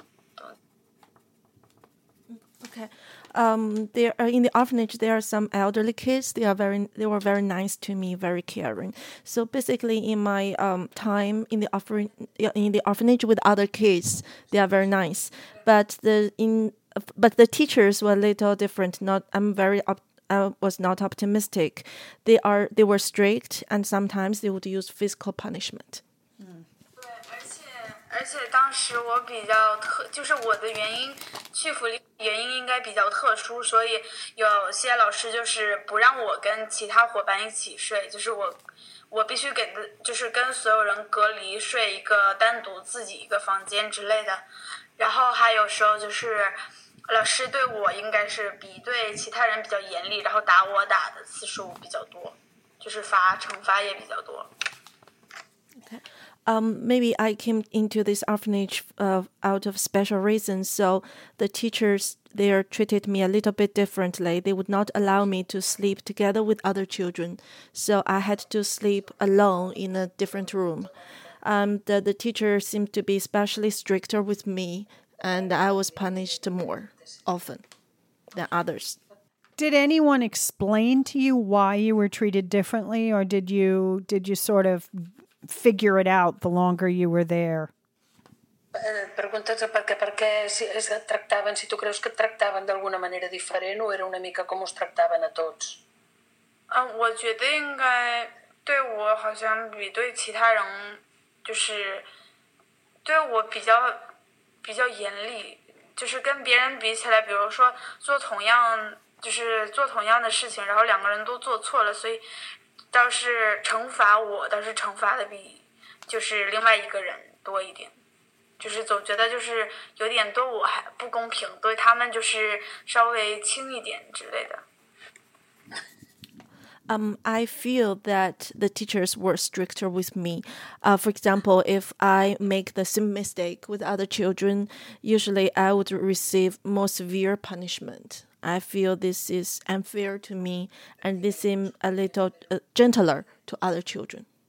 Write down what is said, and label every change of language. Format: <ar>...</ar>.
<zh>就是大的伙伴的话会比较照顾，然后小的话有时候就是，不过相处下来是大多数都挺好的。老师的话，老师那方面就不是，就是老师的方面就不算是太乐观，因为老师就是很严厉，而且经常打，就是打人啊之类的。Okay.</zh> <en>In the orphanage, there are some elderly kids. They were very nice to me, very caring. So basically, in my time in the orphanage with other kids, they are very nice. But the teachers were a little different. I was not optimistic. They were strict, and sometimes they would use physical punishment.</en> <zh>对，而且。而且当时我比较特，就是我的原因，去福利原因应该比较特殊，所以有些老师就是不让我跟其他伙伴一起睡，就是我必须给就是跟所有人隔离睡一个单独自己一个房间之类的。然后还有时候就是老师对我应该是比对其他人比较严厉，然后打我打的次数比较多，就是罚惩罚也比较多。</zh> <en>Maybe I came into this orphanage out of special reasons, so the teachers there treated me a little bit differently. They would not allow me to sleep together with other children, so I had to sleep alone in a different room. The teacher seemed to be especially stricter with me, and I was punished more often than others. Did anyone explain to you why you were treated differently, or did you sort of... figure it out the longer you were there?</en> <ca>Preguntes perquè si es tractaven, si tu creus que tractaven d'alguna manera diferent o era una mica com us tractaven a tots?</ca> <zh>我觉得应该对我好像比对其他人就是对我比较严厉，就是跟别人比起来，比如说做同样就是做同样的事情，然后两个人都做错了，所以倒是惩罚我倒是惩罚的比就是另外一个人多一点，就是总觉得就是有点对我还不公平，对他们就是稍微轻一点之类的。</zh> <en>I feel that the teachers were stricter with me. For example, if I make the same mistake with other children, usually I would receive more severe punishment. I feel this is unfair to me, and they seem a little gentler to other children.</en>